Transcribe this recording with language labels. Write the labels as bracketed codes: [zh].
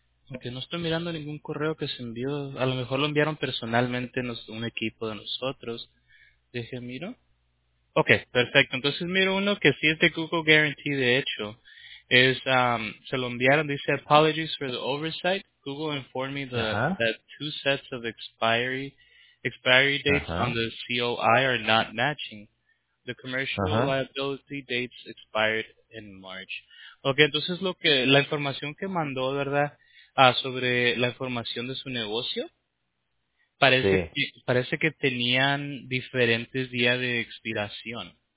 [es] Aunque no estoy mirando ningún correo que se envió, a lo mejor lo enviaron personalmente un equipo de nosotros. Deje, miro. Okay, perfecto. Entonces miro uno que sí es de Google Guarantee, de hecho. Es se lo enviaron, dice [en] apologies for the oversight. Google informed me that two sets of expiry dates on the COI are not matching. The commercial liability dates expired in March. [es] Okay, entonces la información que mandó, ¿verdad? Sobre la información de su negocio. Parece que tenían diferentes días de expiración.